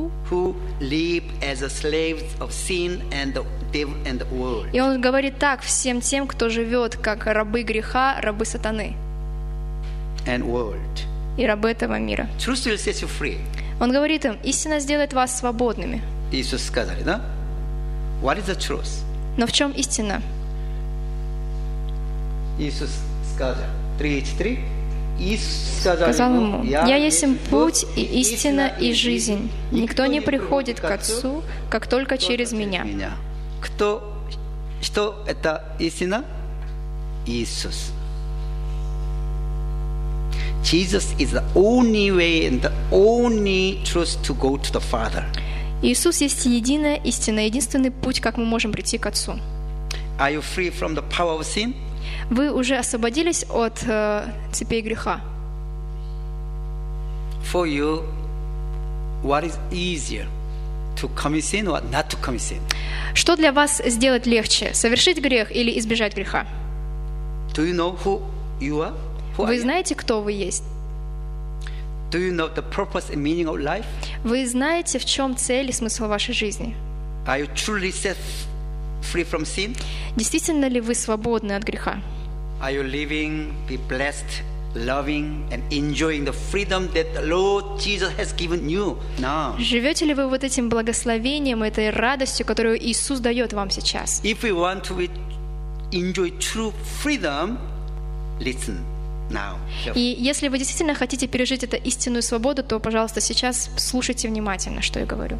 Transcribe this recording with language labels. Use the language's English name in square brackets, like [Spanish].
[English] Who live as a slaves of sin and the devil and the world. [Russian] И он говорит так всем тем, кто живет как рабы греха, рабы сатаны. [English] And world. [Russian] И рабы этого мира. [English] Truth will set you free. [Russian] Он говорит им, истина сделает вас свободными. Иисус сказал, да? [English] What is the truth? [Russian] Но в чем истина? Иисус сказал, 3:3. Сказал ему, «Я есть им путь и истина и жизнь. Никто не приходит к Отцу, как только через меня». Кто? Что это истина? Иисус. [English] Jesus is the only way and the only truth to go to the Father. [Russian] Иисус есть единая истина, единственный путь, как мы можем прийти к Отцу. [English] Are you free from the power of sin? [Russian] Вы уже освободились от цепей греха. [English] For you, what is easier, to commit sin or not to commit sin? [Russian] Что для вас сделать легче, совершить грех или избежать греха? [English] Do you know who you are? Who [Russian] вы знаете, кто вы есть? [English] Do you know the purpose and meaning of life? [Russian] Вы знаете, в чем цель и смысл вашей жизни? [English] Are you truly set free from sin? [Russian] Действительно ли вы свободны от греха? [English] Are you living, be blessed loving and enjoying the freedom that the Lord Jesus has given you now? [Russian] Живете ли вы вот этим благословением, этой радостью, которую Иисус дает вам сейчас? [English] If we want to enjoy true freedom, listen now. [Russian] И если вы действительно хотите пережить эту истинную свободу, то, пожалуйста, сейчас слушайте внимательно, что я говорю.